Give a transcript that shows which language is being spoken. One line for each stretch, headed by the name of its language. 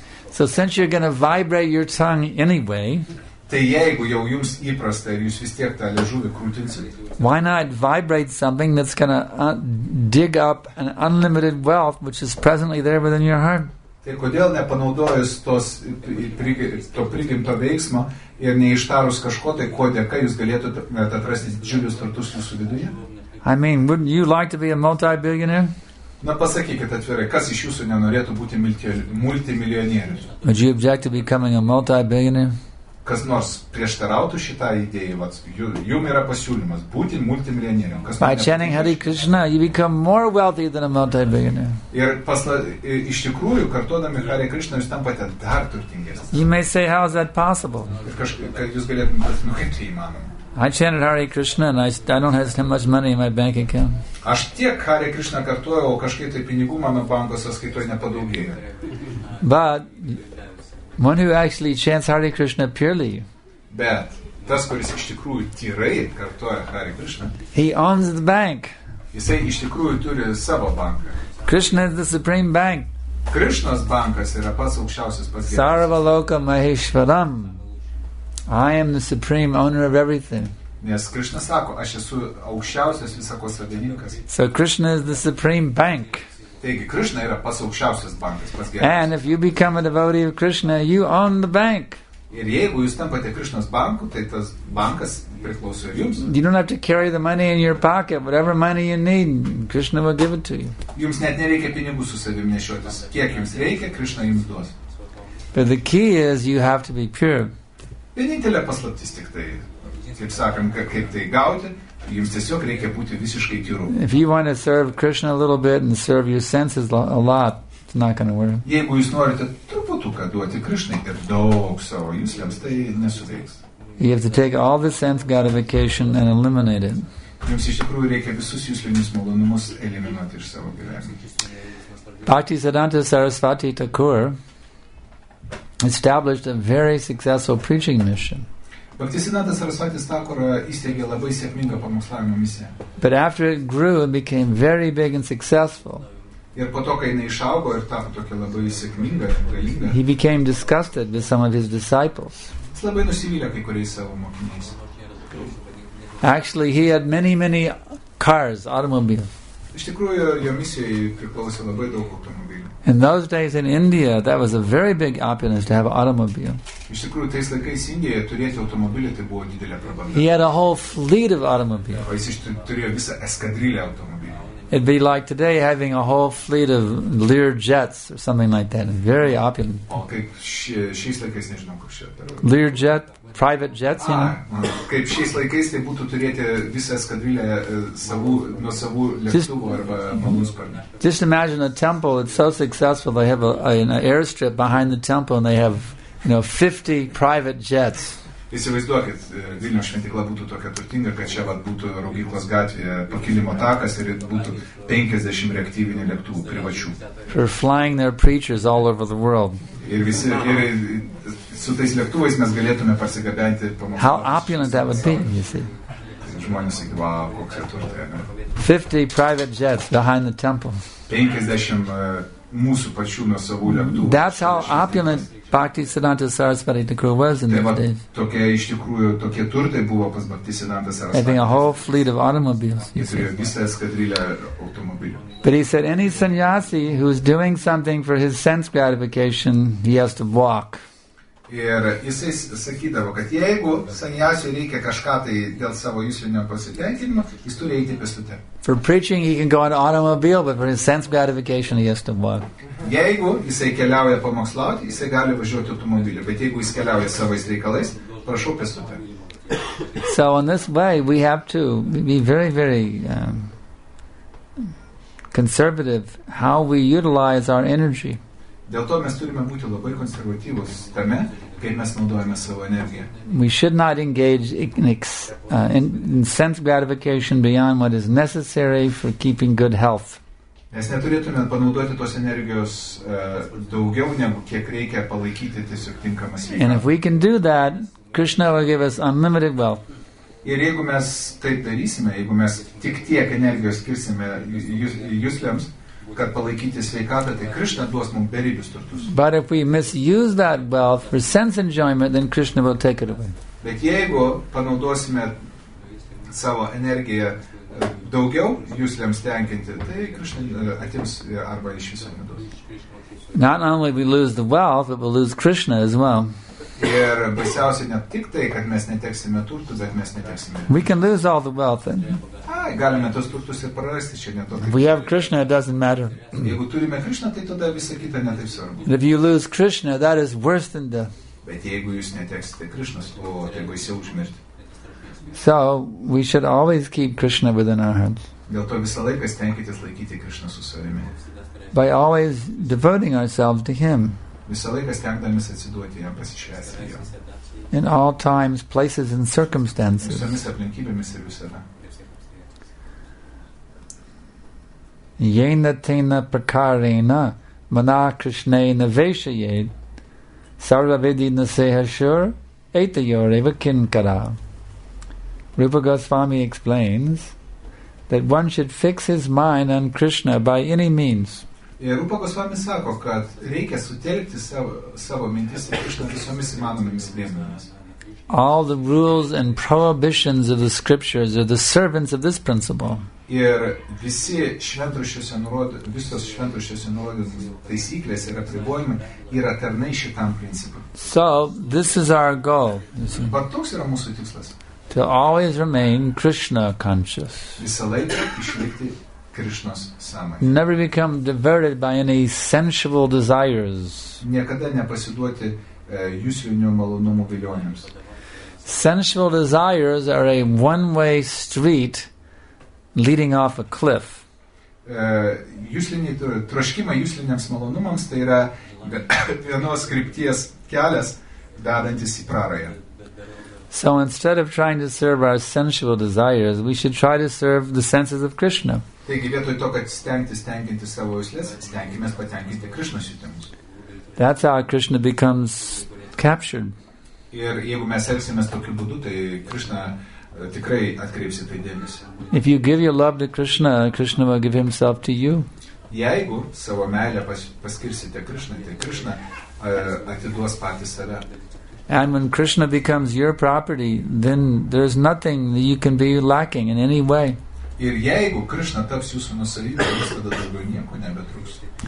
English: So since you're going to vibrate your tongue anyway, why not vibrate something that's going to dig up an unlimited wealth which is presently there within your heart?
Lithuanian: Tai kodėl nepanaudojus to prigimto veiksmo ir neištarus kažko, tai ko dėka jūs galėtumėte atrasti didžiulius turtus jūsų viduje?
English: I mean, wouldn't you like to be a multi-billionaire?
Lithuanian: Na pasakykite atvirai, kas iš jūsų nenorėtų būti multimilijonierius?
English: Would you object to becoming a multi-billionaire?
Lithuanian: Kas nors prieštarautų šitą idėją, vat, jum yra pasiūlymas būti multimilijonieriumi. Kas
English: By chanting Hare Krishna, you become more wealthy than a multi-billionaire.
Lithuanian: Ir iš tikrųjų, kartuodami Hare Krishna, jūs tampate dar turtingesnis.
English: You may say, how is that possible?
Lithuanian: Ir kad jūs galėtumėte pasakyti, nu kaip tai įmanoma.
English: I chanted Hare Krishna and I don't have that much money in my bank account.
Lithuanian: Aš tiek Hare Krishna kartuoju, o kažkaip tai pinigų mano banko sąskaitoje nepadaugėjo.
English: But one who actually chants Hare Krishna purely,
Lithuanian: bet tas, kuris iš tikrųjų tyrai kartuoja Hare Krishna,
English: he owns the bank.
Lithuanian: Jisai iš tikrųjų turi savo banką.
English: Krishna is the supreme bank.
Lithuanian: Krishnas bankas yra pats aukščiausias pasiekimas.
Sanskrit: Sarvaloka Maheshwaram,
English: I am the supreme owner of everything.
Lithuanian: Nes Krishna sako, aš esu aukščiausias visako savininkas.
English: So Krishna is the supreme bank.
Lithuanian: Taigi, Krishna yra pas aukščiausias bankas, pas geras.
English: And if you become a devotee of Krishna, you own the bank.
Lithuanian: Ir jeigu jūs tampate Krishnas banku, tai tas bankas priklauso jums.
English: You don't have to carry the money in your pocket, whatever money you need, Krishna will give it to you.
Lithuanian: Jums net nereikia pinigų su savimi nešiotis. Kiek jums reikia, Krishna jums duos.
English: But the key is you have to be pure.
Lithuanian: Vienintelė paslaptis tik tai, kaip sakom, kaip tai gauti. Jums tiesiog reikia būti visiškai tyru.
English: If you want to serve Krishna a little bit and serve your senses a lot, it's not going to work.
Lithuanian: Jeigu jūs norite truputuką duoti Krishnai ir daug savo jūslėms, tai nesuveiks.
English: You have to take all the sense gratification and eliminate it.
Lithuanian: Jums iš tikrųjų reikia visus jūslinius malonumus eliminuoti iš savo gyvenimo.
English: Bhaktisiddhanta Sarasvati Thakur established a very successful preaching mission.
Lithuanian: Bhaktisiddhanta Sarasvati Thakur įsteigė labai sėkmingą pamokslavimo misiją.
English: But after it grew and became very big and successful,
Lithuanian: ir po to, kai jinai išaugo ir tapo tokia labai sėkminga, galinga,
English: he became disgusted with some of his disciples.
Lithuanian: Jis labai nusivylė kai kuriais savo mokiniais.
English: Actually, he had many, many cars, automobiles.
Lithuanian: Iš tikrųjų, jo misijai priklausė labai daug automobilių.
English: In those days in India, that was a very big opulence to have an automobile.
Lithuanian: Iš tikrųjų, tais laikais Indijoje turėti automobilį, tai buvo didelė prabanga.
English: He had a whole fleet of automobiles.
Lithuanian: O jis turėjo visą eskadrilę automobilių.
English: It'd be like today having a whole fleet of Lear jets or something like that. Very opulent.
Lithuanian: O kaip šiais laikais, nežinau, kur šia.
English: Lear jet, private jets, you know?
Lithuanian: Kaip šiais laikais, tai būtų turėti visą eskadrilę nuo savų lėktuvų arba malūnsparnių.
English: Just imagine a temple, it's so successful, they have an airstrip behind the temple and they have, you know, 50 private jets.
Lithuanian: Įsivaizduokit, Vilniaus šventykla būtų tokia turtinga, kad čia vat, būtų Rogyklos gatvėje pakilimo takas ir būtų 50 reaktyvinių lėktuvų privačių.
English: For flying their preachers all over the world.
Lithuanian: Ir visi, ir su tais lėktuvais mes galėtume pasigabenti pamokslą.
English: How opulent that would be, you see.
Lithuanian: Žmonės sakė, va, koks yra turtė.
English: 50 private jets behind the temple.
Lithuanian: 50 mūsų pačių nuo savų lėktuvų.
English: That's how opulent Bhaktisiddhanta Sarasvati Thakur was in those days.
Lithuanian: Tokie iš tikrųjų, tokie turtai buvo pas Bhaktisiddhanta Sarasvati.
English: Having a whole fleet of automobiles.
Lithuanian: Jis turėjo visą eskadrilę automobilių.
English: But he said, any sannyasi who is doing something for his sense gratification, he has to walk.
Lithuanian: Ir jisai sakydavo, kad jeigu sannyasi reikia kažką tai dėl savo jūslinio pasitenkinimo, jis turi eiti pėstute.
English: For preaching he can go on automobile, but for his sense gratification he has to walk.
Lithuanian: Jeigu jisai keliauja pamokslauti, jisai gali važiuoti automobiliu, bet jeigu jis keliauja savais reikalais, prašau pėstute.
English: So in this way we have to be very, very conservative how we utilize our energy.
Lithuanian: Dėl to mes turime būti labai konservatyvus tame, kaip mes naudojame savo energiją.
English: We should not engage in sense gratification beyond what is necessary for keeping good health.
Lithuanian: Nes neturėtume panaudoti tos energijos daugiau, negu kiek reikia palaikyti tiesiog tinkamą sveikatą.
English: And if we can do that, Krishna will give us unlimited wealth.
Lithuanian: Ir jeigu mes taip darysime, jeigu mes tik tiek energijos skirsime juslėms, kad palaikyti sveikatą, tai Krishna duos mums beribius turtus.
English: But if we misuse that wealth for sense enjoyment, then Krishna will take it away.
Lithuanian: Bet jeigu panaudosime savo energiją daugiau juslėms tenkinti, tai Krishna atims arba iš viso neduos.
English: Not only we lose the wealth, but we'll lose Krishna as well.
Lithuanian: Ir baisiausia ne tik tai, kad mes neteksime turtų, bet mes neteksime.
English: We can lose all the wealth then.
Lithuanian: Ai, galime tos turtus ir prarasti, čia ne to.
English: If we have Krishna, it doesn't matter.
Lithuanian: Jeigu turime Krishna, tai tada visa kita ne taip svarbu.
English: If you lose Krishna, that is worse than death.
Lithuanian: Bet jeigu jūs neteksite Krishnas, o tai baisiau už mirtį.
English: So, we should always keep Krishna within our hearts.
Lithuanian: Dėl to visą laiką stengitės laikyti Krishna su savimi.
English: By always devoting ourselves to Him.
Lithuanian: Visą laiką stengdamis atsiduoti Jam, pasišvęsti Jo.
English: In all times, places and circumstances.
Lithuanian: Visomis aplinkybėmis ir visada.
Sanskrit: Yena tena prakarena mana krishnena veshayet sarvavidina sehashur etayor eva kinkara.
English: Rupa Goswami explains that one should fix his mind on Krishna by any means.
Lithuanian: Rupa Goswami sako, kad reikia sutelkti savo mintis į Krishna visomis įmanomomis priemonėmis.
English: All the rules and prohibitions of the scriptures are the servants of this principle.
Lithuanian: Ir visi šventraščiuose visos šventraščiuose nurodytos taisyklės ir apribojimai yra tarnai šitam principui.
English: So, this is our goal.
Lithuanian: Bet toks yra mūsų tikslas.
English: To always remain Krishna conscious.
Lithuanian: Visą laiką išlikti Krishnos sąmonėje.
English: Never become diverted by any sensual desires.
Lithuanian: Niekada nepasiduoti juslinių malonumų vilionėms.
English: Sensual desires are a one-way street leading off a cliff.
Lithuanian: Troškimai juslinėms malonumams tai yra vienos krypties kelias vedantis į prarają.
English: So instead of trying to serve our sensual desires, we should try to serve the senses of Krishna.
Lithuanian: Taigi vietoj to, kad stengti savo juslės, stengimės patenkinti Krishnos jutimus.
English: That's how Krishna becomes captured.
Lithuanian: Ir jeigu mes elgsimės tokiu būdu, tai Krishna tikrai atkreips į tai dėmesį.
English: If you give your love to Krishna, Krishna will give himself to you.
Lithuanian: Jeigu savo meilę paskirsite Krishna, tai Krishna atiduos patį save.
English: And when Krishna becomes your property, then there's nothing that you can be lacking in any way.
Lithuanian: Ir jeigu Krishna taps jūsų nusavybė, jūs tada daugiau nieko nebetruks.